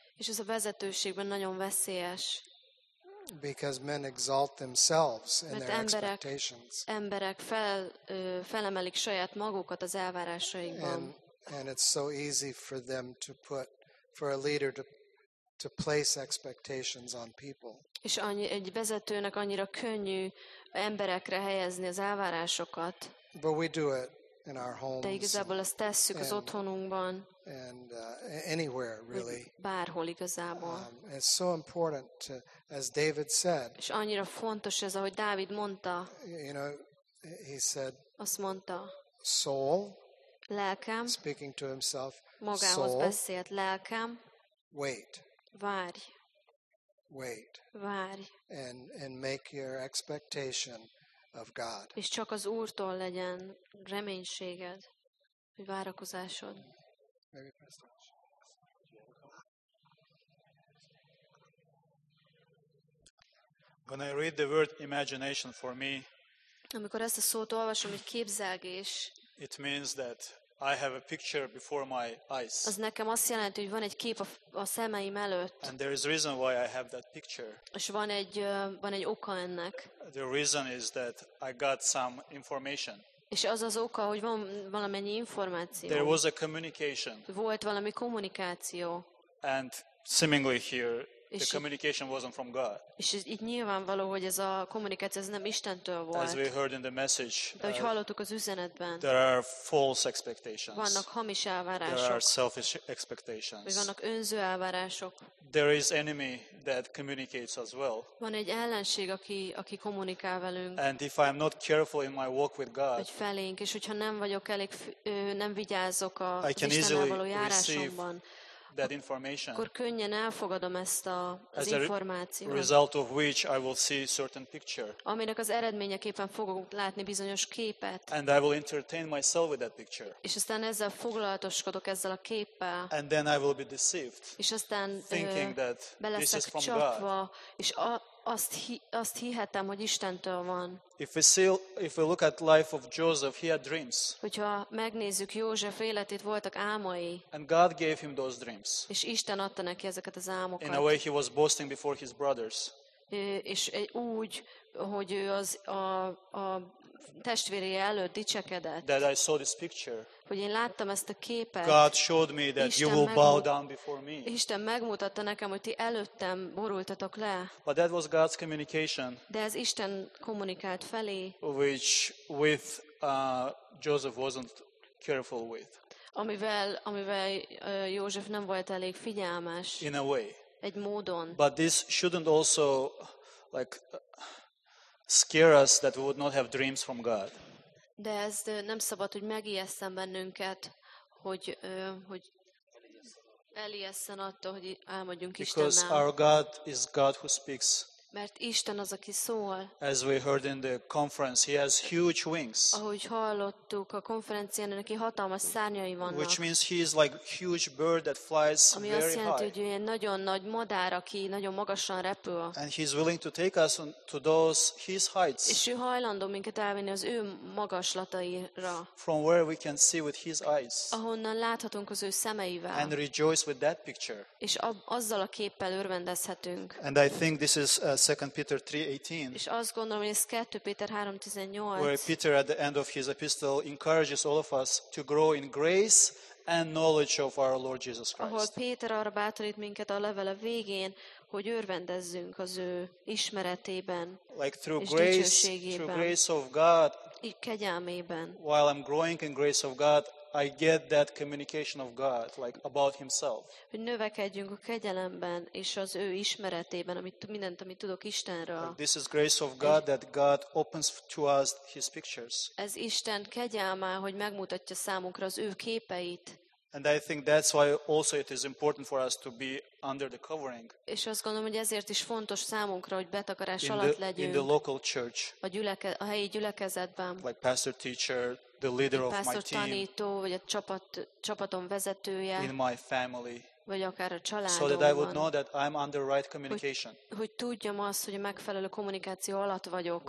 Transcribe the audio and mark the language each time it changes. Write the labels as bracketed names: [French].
[Hungarian] És ez a vezetőségben nagyon veszélyes. [English] Because men exalt themselves and their expectations. [Hungarian] Emberek felemelik saját magukat az elvárásaikban. [English] And it's so easy for them to put, for a leader to place expectations on people. [Hungarian] És egy vezetőnek annyira könnyű emberekre helyezni az elvárásokat. [English] But we do it in our homes. [Hungarian] De igazából ezt tesszük az otthonunkban. [English] And anywhere really. [Hungarian] Bárhol igazából. [English] It's so important to, as David said. [Hungarian] És annyira fontos ez, ahogy Dávid mondta. [English] You know, he said. [Hungarian] Azt mondta. [English] Soul. [Hungarian] Lelkem. [English] Speaking to himself. [Hungarian] Magához beszélt, lelkem. [English] Wait. [Hungarian] Várj. [English] Wait. [Hungarian] Várj. [English] And make your expectation of God. [Hungarian] És csak az Úrtól legyen reménységed, vagy várakozásod. [English] When I read the word imagination for me, [Hungarian] amikor ezt a szót olvasom, hogy képzelgés, [English] it means that I have a picture before my eyes. [Hungarian] Az nekem azt jelenti, hogy van egy kép a szemeim előtt. [English] And there is a reason why I have that picture. [Hungarian] És van egy oka ennek. [English] The reason is that I got some information. [Hungarian] És az az oka, hogy van valamennyi információ. [English] There was a communication. [Hungarian] Volt valami kommunikáció. [English] And seemingly here the communication wasn't from God. [Hungarian] És itt nyilvánvaló, hogy ez a kommunikáció ez nem Istentől volt. [English] As we heard in the message, [Hungarian] de hogy hallottuk az üzenetben. [English] There are false expectations. [Hungarian] Vannak hamis elvárások. [English] There are selfish expectations. [Hungarian] Vagy vannak önző elvárások. [English] There is enemy that communicates as well. [Hungarian] Van egy ellenség, aki kommunikál velünk. [English] And if I am not careful in my walk with God, [Hungarian] hogy felénk, és hogyha nem vagyok elég, nem vigyázok az Istennel való járásomban. [English] That information. [Hungarian] Akkor könnyen elfogadom ezt az információt. [English] As a result of which I will see a certain picture. [Hungarian] Aminek az eredményeképpen fogok látni bizonyos képet. [English] And I will entertain myself with that picture. [Hungarian] És aztán ezzel foglalatoskodok ezzel a képpel. [English] And then I will be deceived. [Hungarian] És aztán [English] thinking that this is from [Hungarian] csapva, [English] God. [Hungarian] És azt hihetem, hogy Istentől van. [English] If we look at life of Joseph, he had dreams. [Hungarian] Hogyha megnézzük József életét, voltak álmai. [English] And God gave him those dreams. [Hungarian] És Isten adta neki ezeket az álmokat. [English] In a way he was boasting before his brothers. [Hungarian] És úgy, hogy ő az a testvére előtt dicsekedett. [English] That I saw this picture. [Hungarian] Hogy én láttam ezt a képet. [English] God showed me that Isten you will bow down before me. [Hungarian] Isten megmutatta nekem, hogy ti előttem borultatok le. [English] But that was God's communication. [Hungarian] De ez Isten kommunikált felé. [English] Which with Joseph wasn't careful with. [Hungarian] Amivel József nem volt elég figyelmes. [English] In a way. [Hungarian] Egy módon. [English] But this shouldn't also like scare us that we would not have dreams from God. [Hungarian] De ez nem szabad, hogy megijesszen bennünket, hogy hogy elijesszen attól, hogy álmodjunk Istennel. [English] Because our God is God who speaks. [Hungarian] Mert Isten az, aki szól. [English] As we heard in the conference, he has huge wings. [Hungarian] Ahogy hallottuk a konferencián, neki hatalmas szárnyai vannak. [English] Which means he is like huge bird that flies very high. [Hungarian] Ami azt jelenti, hogy ő egy nagyon nagy madár, aki nagyon magasan repül. [English] And he is willing to take us to those his heights. [Hungarian] És ő hajlandó minket elvinni az ő magaslataira. [English] From where we can see with his eyes. [Hungarian] Ahonnan láthatunk az ő szemeivel. [English] And rejoice with that picture. [Hungarian] És azzal a képpel örvendezhetünk. [English] And I think this is 2 Peter 3:18. Where Peter at the end of his epistle encourages all of us to grow in grace and knowledge of our Lord Jesus Christ. [Hungarian] Ahol Péter arra bátorít minket a levele végén, hogy örvendezzünk az ő ismeretében. [English] Like through grace of God. [Hungarian] Így kegyelmében. [English] While I'm growing in grace of God, I get that communication of God, like about Himself. [Hungarian] Hogy növekedjünk a kegyelemben és az ő ismeretében, amit tudok Istenről. [English] This is grace of God that God opens to us His pictures. [Hungarian] Ez Isten kegyelme, hogy megmutatja számunkra az ő képeit. [English] And I think that's why also it is important for us to be under the covering. [Hungarian] És azt gondolom, hogy ezért is fontos számunkra, hogy betakarás alatt legyünk. [English] In the local church. [Hungarian] A helyi gyülekezetben. [English] Like pastor, teacher, the leader of my team. [Hungarian] Pastor, tanító, vagy a csapatom vezetője. [English] In my family. [Hungarian] Vagy akár a családomban. [English] So that I would know that I'm under right communication. [Hungarian] Hogy tudjam azt, hogy a megfelelő kommunikáció alatt vagyok.